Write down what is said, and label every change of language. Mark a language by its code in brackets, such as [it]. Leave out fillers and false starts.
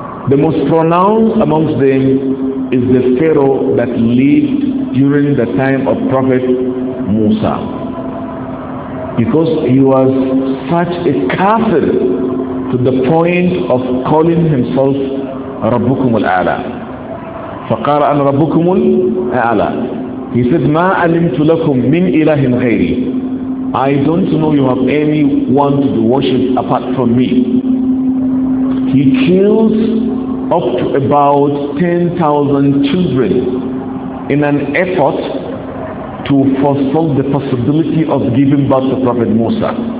[en] The most pronounced amongst them is the Pharaoh that lived during the time of Prophet Musa. Because he was such a kafir to the point of calling himself [ar] Rabbukum al-A'la. فَقَالَ أَنْ رَبُّكُمُ الْأَعْلَى. [en] He said, [ar] مَا أَلِمْتُ لَكُمْ مِنْ إِلَهٍ غَيْرِي. [en] I don't know you have anyone to be worshipped apart from me. He kills up to about 10,000 children in an effort to forestall the possibility of giving birth to Prophet Musa.